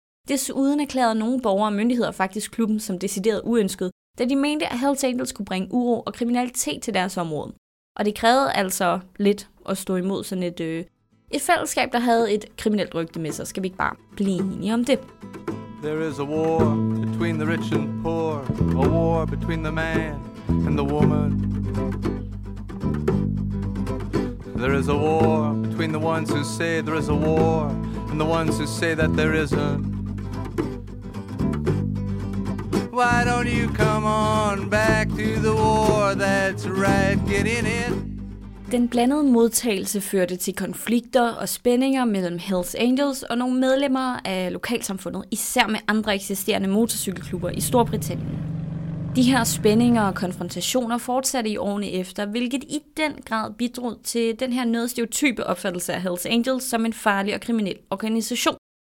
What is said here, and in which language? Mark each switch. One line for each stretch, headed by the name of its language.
Danish: Desuden erklærede nogle borgere og myndigheder faktisk klubben som decideret uønsket, da de mente, at Hells Angels kunne bringe uro og kriminalitet til deres område. Og det krævede altså lidt at stå imod sådan et fællesskab, der havde et kriminelt rygte med sig. Skal vi ikke bare blive enige om det?
English: There is a war between the rich and poor, a war between the man and the woman. There is a war between the ones who say there is a war and the ones who say that there isn't. Why don't you come on back to the war? That's right, get in it.
Danish: Den blandede modtagelse førte til konflikter og spændinger mellem Hells Angels og nogle medlemmer af lokalsamfundet, især med andre eksisterende motorcykelklubber i Storbritannien. De her spændinger og konfrontationer fortsatte i årene efter, hvilket i den grad bidrog til den her nødstereotype opfattelse af Hells Angels som en farlig og kriminel organisation.